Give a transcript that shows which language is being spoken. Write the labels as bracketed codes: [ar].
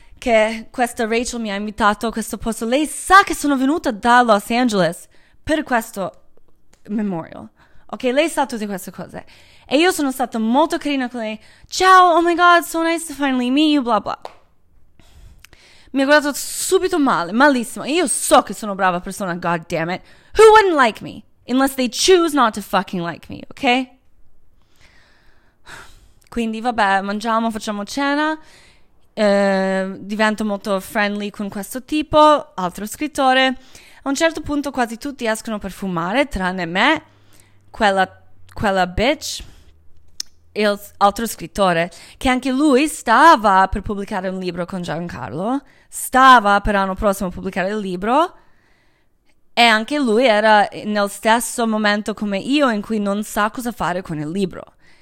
[it] che questa Rachel mi ha invitato a questo posto. Lei sa che sono venuta da Los Angeles per questo memorial. Ok, lei sa tutte queste cose. E io sono stata molto carina con lei. [en] Ciao, oh my god, so nice to finally meet you, bla bla. [it] Mi ha guardato subito male, malissimo. E io so che sono brava persona, [en] god damn it. Who wouldn't like me? Unless they choose not to fucking like me, ok? [it] Quindi, vabbè, mangiamo, facciamo cena. Divento molto friendly con questo tipo, altro scrittore. A un certo punto quasi tutti escono per fumare, tranne me, quella bitch e l'altro scrittore, che anche lui stava per pubblicare un libro con Giancarlo, stava per l'anno prossimo pubblicare il libro, e anche lui era nel stesso momento come io in cui non sa cosa fare con il libro.